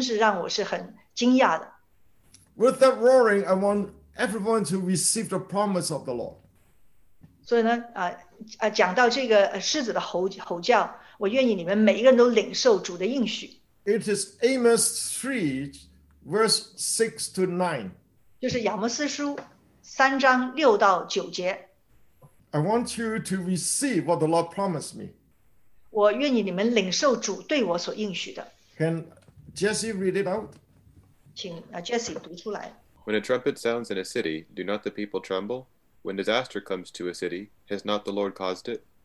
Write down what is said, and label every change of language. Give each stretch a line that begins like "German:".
Chinese: 所以呢，主让我明白呢，神给我们在锡安这个知识的语言那个层次，真是让我是很惊讶的。
English: With that roaring, I want everyone to receive the promise of the Lord.
Chinese: 所以呢，讲到这个狮子的吼叫，我愿意你们每一个人都领受主的应许。
English: It is Amos 3:6-9.
Chinese: 就是亚摩斯书3:6-9.
English: I want you to receive what the Lord promised me.
Chinese: 我愿意你们领受主对我所应许的。
English: Can Jesse read it out?
Chinese: 请Jesse读出来。
English: When a trumpet sounds in a city, do not the people tremble? When disaster comes to a city, has not the Lord caused it?